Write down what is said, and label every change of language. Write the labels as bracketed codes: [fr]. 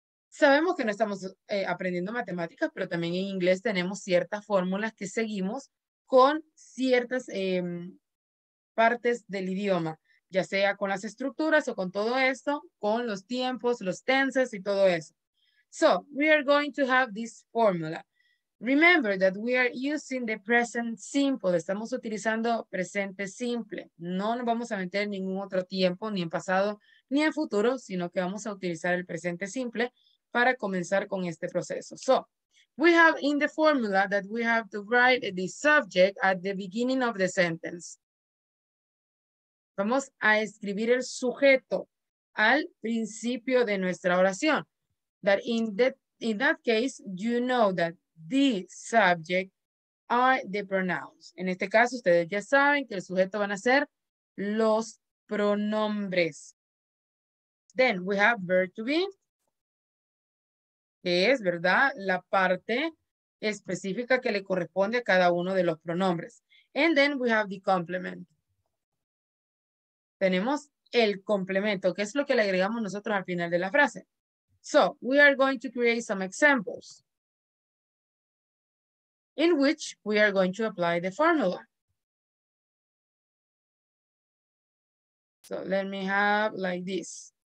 [es] Sabemos que no estamos aprendiendo matemáticas, pero también en inglés tenemos ciertas fórmulas que seguimos con ciertas partes del idioma, ya sea con las estructuras o con todo esto, con los tiempos, los tenses y todo eso. [en] So, we are going to have this formula. Remember that we are using the present simple. [es] Estamos utilizando presente simple. No nos vamos a meter en ningún otro tiempo, ni en pasado, ni a futuro, sino que vamos a utilizar el presente simple para comenzar con este proceso. [en] So, we have in the formula that we have to write the subject at the beginning of the sentence. [es] Vamos a escribir el sujeto al principio de nuestra oración. [en] That in that case, you know that the subject are the pronouns. [es] En este caso, ustedes ya saben que el sujeto van a ser los pronombres. [en] Then we have verb to be, [es] que es, ¿verdad?, la parte específica que le corresponde a cada uno de los pronombres. [en] And then we have the complement. [es] Tenemos el complemento, que es lo que le agregamos nosotros al final de la frase. [en] So, we are going to create some examples in which we are going to apply the formula. So, let me have like this.